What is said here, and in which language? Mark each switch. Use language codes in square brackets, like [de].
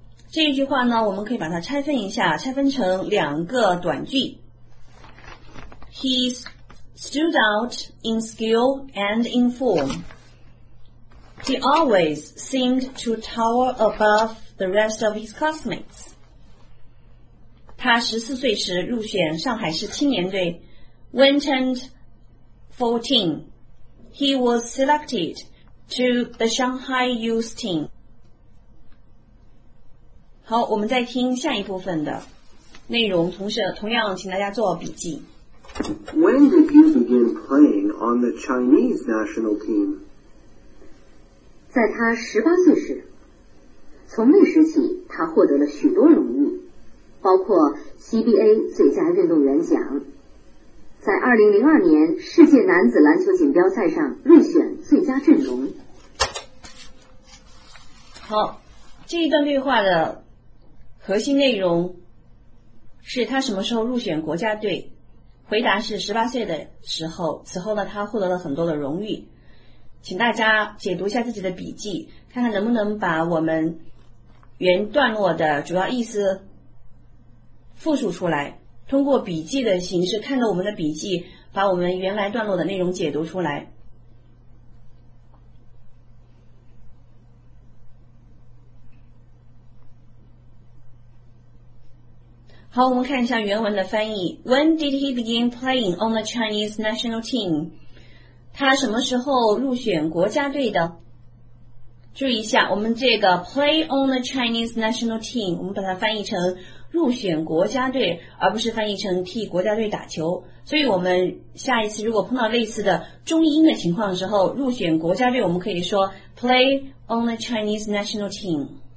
[zh] 这一句话呢我们可以把它拆分一下，拆分成两个短句， [en] He stood out in skill and in form。 He always seemed to tower above the rest of his classmates. [zh] 他14岁时入选上海市青年队。 [en] When turned 14, he was selected to the Shanghai youth team. [zh] 好，我们再听下一部分的内容，同样请大家做笔记。 [en] When did you begin playing on the Chinese national team? [zh] 在他18岁时，从那时起他获得了许多荣誉，包括 CBA 最佳运动员奖，在2002年世界男子篮球锦标赛上入选最佳阵容。好，这一段对话的核心内容是他什么时候入选国家队，回答是18岁的时候，此后呢他获得了很多的荣誉。请大家解读一下自己的笔记，看看能不能把我们原段落的主要意思复述出来，通过笔记的形式，看着我们的笔记，把我们原来段落的内容解读出来。好，我们看一下原文的翻译。 [en] When did he begin playing on the Chinese national team? [zh] 他什么时候入选国家队的？注意一下，我们这个 [en] play on the Chinese national team， [zh] 我们把它翻译成入选国家队，而不是翻译成替国家队打球。所以我们下一次如果碰到类似的中英的情况的时候，入选国家队我们可以说 [en] play on the Chinese national team。